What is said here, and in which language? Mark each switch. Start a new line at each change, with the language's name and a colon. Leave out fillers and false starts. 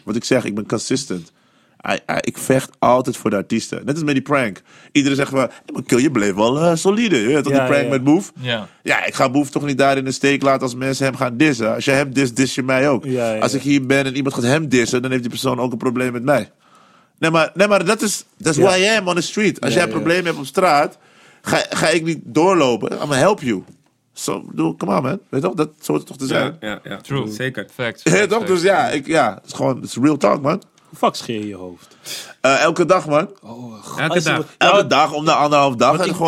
Dutch: Wat ik zeg, ik ben consistent. Ik vecht altijd voor de artiesten. Net als met die prank. Iedereen zegt van, hey, maar kill, je bleef wel solide. Je weet, die prank met Boef.
English: Yeah.
Dutch: Ja, ik ga Boef toch niet daar in de steek laten als mensen hem gaan dissen. Als je hem dis, dis je mij ook. Als ik hier ben en iemand gaat hem dissen, dan heeft die persoon ook een probleem met mij. Nee, maar
English: that's who I am on the street.
Dutch: Als jij een probleem hebt op straat, ga ik niet doorlopen.
English: I'm gonna help you. So, come on, man.
Dutch: Weet toch? Dat zou het toch te zijn? Ja, true. Zeker. Facts. Ja, toch? Dus ja, het is gewoon,
English: it's real talk, man.
Dutch: Hoe vaak scheer je je hoofd? Elke dag, man. Oh, elke dag. Elke dag, om de anderhalf dag. En